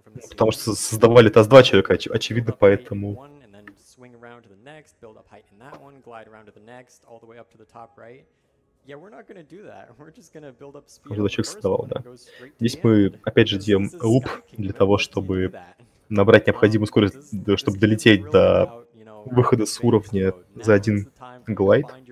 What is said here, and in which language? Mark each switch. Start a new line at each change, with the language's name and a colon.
Russian: Потому что создавали ТАСС 2 человека, очевидно, поэтому...
English: Swing around to the next, build up height in that one, glide around to the next, all the way up to the top right. Yeah, we're not gonna do that. We're just gonna build up speed.
Russian: Человек создавал, да. Здесь мы опять же делаем луп для того, чтобы набрать необходимую скорость, чтобы долететь до выхода с уровня за один глайд.